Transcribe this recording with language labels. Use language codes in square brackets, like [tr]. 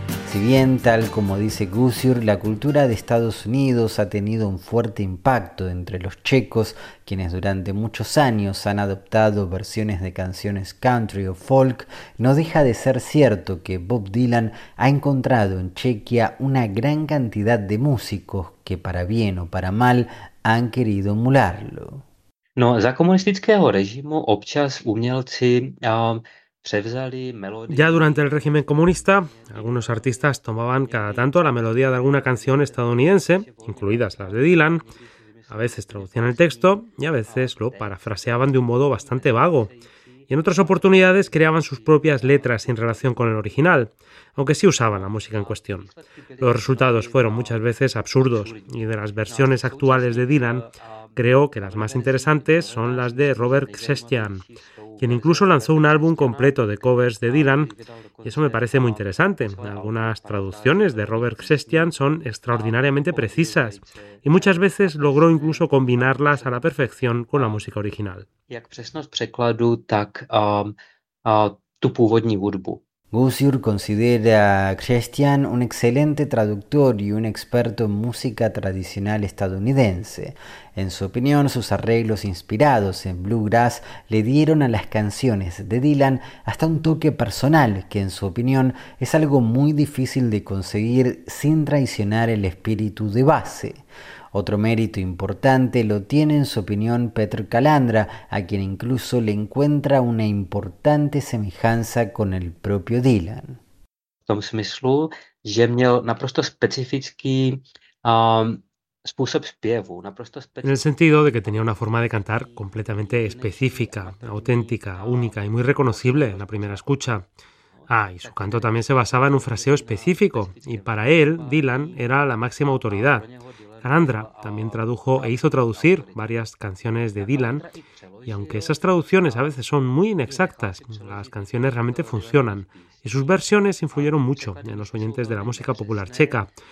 [es] Si bien, tal como dice Gusjur, la cultura de Estados Unidos ha tenido un fuerte impacto entre los checos, quienes durante muchos años han adoptado versiones de canciones country o folk, no deja de ser cierto que Bob Dylan ha encontrado en Chequia una gran cantidad de músicos que, para bien o para mal, han querido emularlo. [cs] No, za komunistického režimu občas umělci převzali melodii. [es] Ya durante el régimen comunista, algunos artistas tomaban cada tanto la melodía de alguna canción estadounidense, incluidas las de Dylan, a veces traducían el texto y a veces lo parafraseaban de un modo bastante vago. Y en otras oportunidades creaban sus propias letras en relación con el original, aunque sí usaban la música en cuestión. Los resultados fueron muchas veces absurdos, y de las versiones actuales de Dylan, creo que las más interesantes son las de Robert Christian, quien incluso lanzó un álbum completo de covers de Dylan, y eso me parece muy interesante. Algunas traducciones de Robert Christian son extraordinariamente precisas, y muchas veces logró incluso combinarlas a la perfección con la música original. [cs] Jak přesnost překladu, tak tu původní hudbu. [es] Gusiur considera a Christian un excelente traductor y un experto en música tradicional estadounidense. En su opinión, sus arreglos inspirados en bluegrass le dieron a las canciones de Dylan hasta un toque personal que, en su opinión, es algo muy difícil de conseguir sin traicionar el espíritu de base. Otro mérito importante lo tiene, en su opinión, Petr Calandra, a quien incluso le encuentra una importante semejanza con el propio Dylan. [cs] V tom smyslu, že měl naprosto specifický způsob zpěvu, naprosto [es] En el sentido de que tenía una forma de cantar completamente específica, auténtica, única y muy reconocible en la primera escucha. Ah, y su canto también se basaba en un fraseo específico, y para él, Dylan era la máxima autoridad. Calandra también tradujo e hizo traducir varias canciones de Dylan, y aunque esas traducciones a veces son muy inexactas, las canciones realmente funcionan, y sus versiones influyeron mucho en los oyentes de la música popular checa.